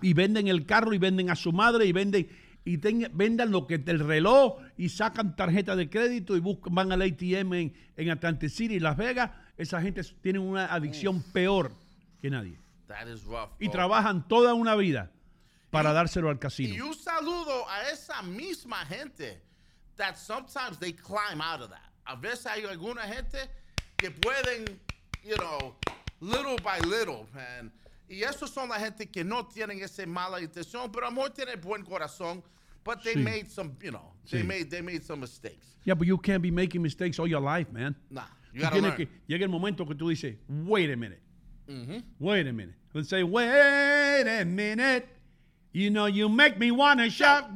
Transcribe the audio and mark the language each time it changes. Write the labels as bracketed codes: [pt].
[es] Y venden el carro y venden a su madre y venden y vendan lo que del reloj y sacan tarjeta de crédito y buscan, van al ATM en Atlantic City, Las Vegas. Esa gente tiene una adicción peor que nadie. [en] That is rough, bro. [es] Y trabajan toda una vida para dárselo al casino. Y un saludo a esa misma gente [en] that sometimes they climb out of that. [es] A veces hay alguna gente que pueden, [en] you know, little by little, man. [es] Y esos son la gente que no tienen esa mala intención, pero amor tiene buen corazón. [en] But they made some, you know, they made some mistakes. Yeah, but you can't be making mistakes all your life, man. Nah, you gotta learn. [es] Llega el momento que tú dices, [en] wait a minute. Mm-hmm. Wait a minute. Let's say, wait a minute. You know, you make me want to shout.